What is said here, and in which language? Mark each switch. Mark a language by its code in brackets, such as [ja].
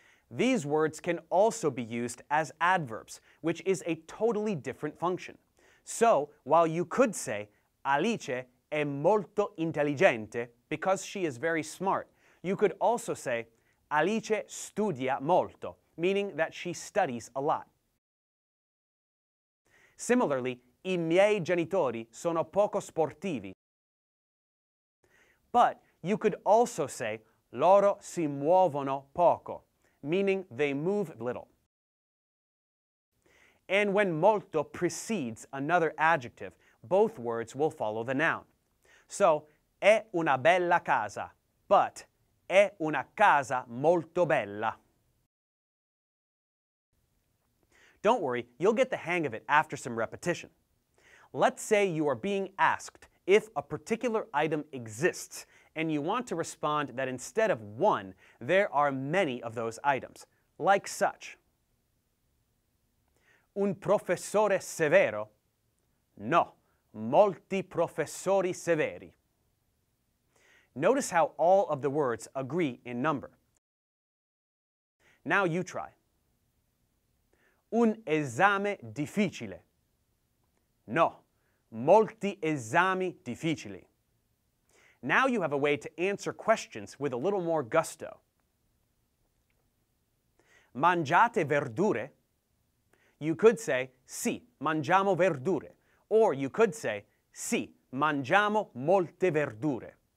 [en] These words can also be used as adverbs, which is a totally different function. So, while you could say, [it] Alice è molto intelligente, [en] because she is very smart, you could also say, [it] Alice studia molto, [en] meaning that she studies a lot. [it] Similarly, i miei genitori sono poco sportivi. [en] But you could also say, [it] loro si muovono poco, [en] meaning they move little. And when molto precedes another adjective, both words will follow the noun. [it] So, è una bella casa, but è una casa molto bella. [en] Don't worry, you'll get the hang of it after some repetition. Let's say you are being asked if a particular item exists, and you want to respond that instead of one, there are many of those items, like such. [it] Un professore severo? No, molti professori severi. [en] Notice how all of the words agree in number. Now you try. [it] Un esame difficile? No, molti esami difficili. [en] Now you have a way to answer questions with a little more gusto. [it] Mangiate verdure? [en] You could say, [it] sì, mangiamo verdure. [en] Or you could say, [it] sì, mangiamo molte verdure.